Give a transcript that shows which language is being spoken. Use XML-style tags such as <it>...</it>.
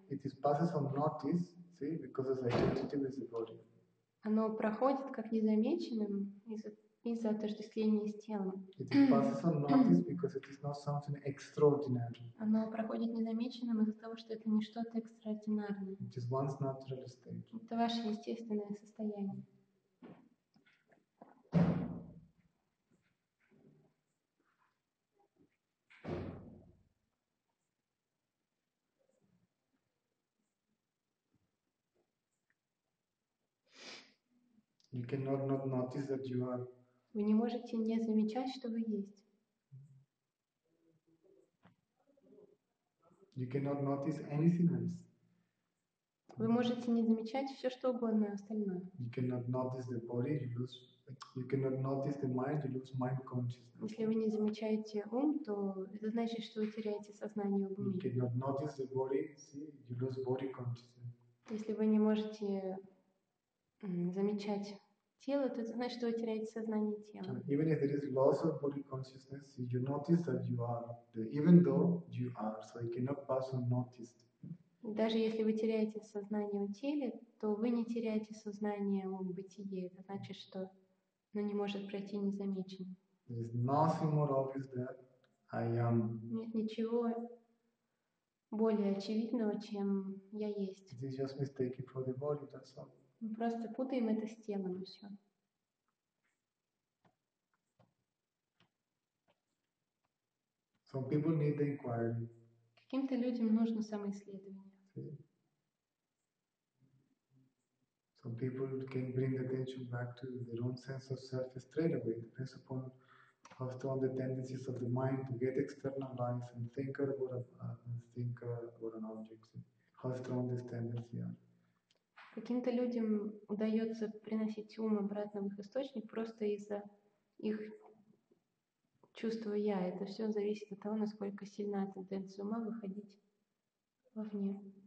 <en>It is passes unnoticed, see, because of identity with the body.</en> <ru>Оно проходит как незамеченным из-за отождествления с телом.</ru> <en>It is passes unnoticed because it is not something extraordinary.</en> <ru>Оно проходит незамеченным из-за того, что это не что-то экстраординарное.</ru> <en>It is one's natural state.</en> <ru>Это ваше естественное состояние.</ru> <en>You cannot not notice that you are.</en> <ru>Вы не можете не замечать, что вы есть.</ru> <en>You cannot notice anything else.</en> <ru>Вы можете не замечать все, что угодно остальное.</ru> <en>You cannot notice the body, you cannot notice the mind, you lose mind consciousness.</en> <ru>Если вы не замечаете ум, то это значит, что вы теряете сознание об уме.</ru> <en>You cannot notice the body, see, you lose body consciousness.</en> <ru>Если вы не можете замечать тело, то это значит, что вы теряете сознание тела.</ru> <en>Even if there is loss of body consciousness, you notice that you are there, even though you are, so you cannot pass unnoticed.</en> <ru>Даже если вы теряете сознание в теле, то вы не теряете сознание в бытии. Это значит, что оно не может пройти незамеченным.</ru> <en>There is nothing more obvious than I am.</en> <ru>Нет ничего более очевидного, чем я есть.</ru> <en>This is just mistaken for the body, that's all.</en> <ru>Мы просто путаем это с телом и все.</ru> <en>Some people need the inquiry.</en> <ru>Каким-то людям нужно самоисследование.</ru> <en>Some people can bring attention back to their own sense of self straight away. It depends upon how strong the tendencies of the mind to get externalized and think about an object. How strong these tendencies are.</en> <ru>Каким-то людям удается приносить ум обратно в их источник просто из-за их чувства «я». Это все зависит от того, насколько сильна тенденция ума выходить вовне.</ru>